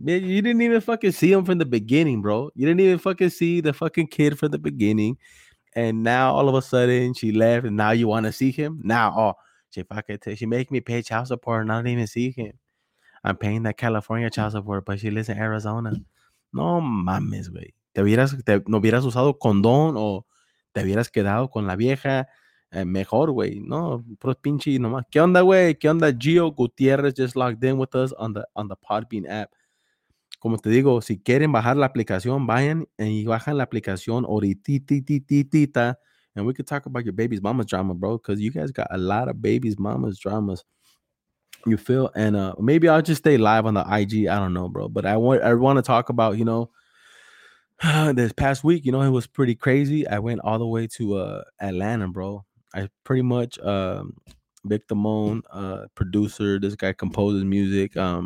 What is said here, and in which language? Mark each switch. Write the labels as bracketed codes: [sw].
[en] Man, you didn't even fucking see him from the beginning, bro. You didn't even fucking see the fucking kid from the beginning. And now all of a sudden she left and now you want to see him? Now, oh, she fucking she make me pay child support and I don't even see him. I'm paying that California child support, but she lives in Arizona. [es] No mames, güey. No hubieras usado condón o te hubieras quedado con la vieja mejor, güey. No, pro pinche nomás. ¿Qué onda, güey? ¿Qué onda? [en] Gio Gutierrez just logged in with us on the Podbean app. [es] Como te digo, si quieren bajar la aplicación, vayan y bajan la aplicación ahorita. [en] And we could talk about your baby's mama's drama, bro, because you guys got a lot of baby's mama's dramas. You feel? And maybe I'll just stay live on the IG. I don't know, bro. But I want to talk about, you know, this past week, you know, it was pretty crazy. I went all the way to Atlanta, bro. I pretty much, Vic Damone, producer, this guy composes music.